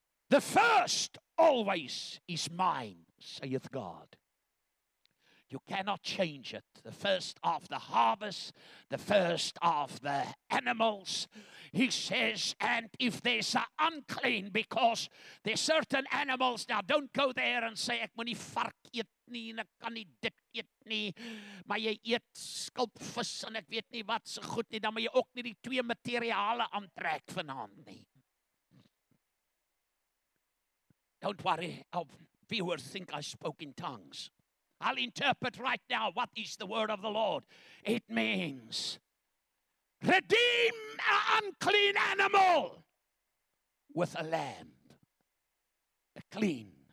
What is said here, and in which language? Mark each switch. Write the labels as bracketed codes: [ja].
[en] The first always is mine, saith God. You cannot change it. The first of the harvest, the first of the animals. He says, and if there's an unclean, because there's certain animals. Now, don't go there and say, [af] ek moet nie vark eet nie, en ek kan nie dit eet nie. Maar jy eet skulpvis, en ek weet nie wat so goed nie. Dan moet jy ook nie die twee materiale aantrek vanaand nie. [en] Don't worry, our viewers think I spoke in tongues. I'll interpret right now what is the word of the Lord. It means, redeem an unclean animal with a lamb, a clean.